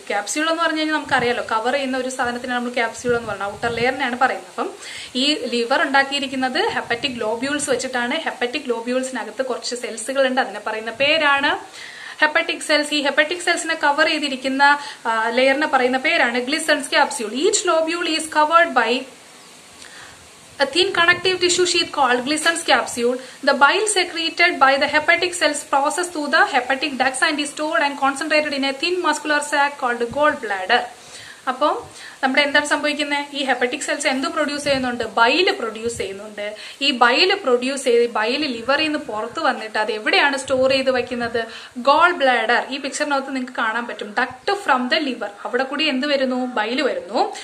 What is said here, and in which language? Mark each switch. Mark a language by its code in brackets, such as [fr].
[ml] Capsule എന്ന് പറഞ്ഞു കഴിഞ്ഞാൽ നമുക്കറിയാലോ, കവർ ചെയ്യുന്ന ഒരു സാധനത്തിനാണ് നമ്മൾ ക്യാപ്സ്യൂൾ എന്ന് പറയുന്നത്, ഔട്ടർ ലെയറിനെയാണ് പറയുന്നത്. അപ്പം ഈ ലിവർ ഉണ്ടാക്കിയിരിക്കുന്നത് ഹെപ്പറ്റിക് ലോബ്യൂൾസ് വെച്ചിട്ടാണ്. ഹെപ്പറ്റിക് ലോബ്യൂൾസിനകത്ത് കുറച്ച് സെൽസുകൾ ഉണ്ട്, അതിനെ പറയുന്ന പേരാണ് ഹെപ്പറ്റിക് സെൽസ്, ഈ ഹെപ്പറ്റിക് സെൽസിനെ കവർ ചെയ്തിരിക്കുന്ന ലെയറിനെ പറയുന്ന പേരാണ് Glisson's capsule. [en] Each lobule is covered by a thin connective tissue sheath called Glisson's capsule. The bile secreted by the hepatic cells process through the hepatic ducts and is stored and concentrated in a thin muscular sac called gallbladder. [ml] അപ്പോൾ നമ്മുടെ എന്താണ് സംഭവിക്കുന്നത്, ഈ hepatic cells എന്ത് produce ചെയ്യുന്നുണ്ട്, bile produce ചെയ്യുന്നുണ്ട്. ഈ bile produce ചെയ്ത് ബൈൽ ലിവറിൽ നിന്ന് പുറത്തു വന്നിട്ട് അത് എവിടെയാണ് സ്റ്റോർ ചെയ്ത് വയ്ക്കുന്നത്, ഗോൾ ബ്ലാഡർ. ഈ പിക്ചറിനകത്ത് നിങ്ങൾക്ക് കാണാൻ പറ്റും, ഡക്ട് ഫ്രം ദ ലിവർ, അവിടെ കൂടി എന്ത് വരുന്നു, ബൈൽ വരുന്നു.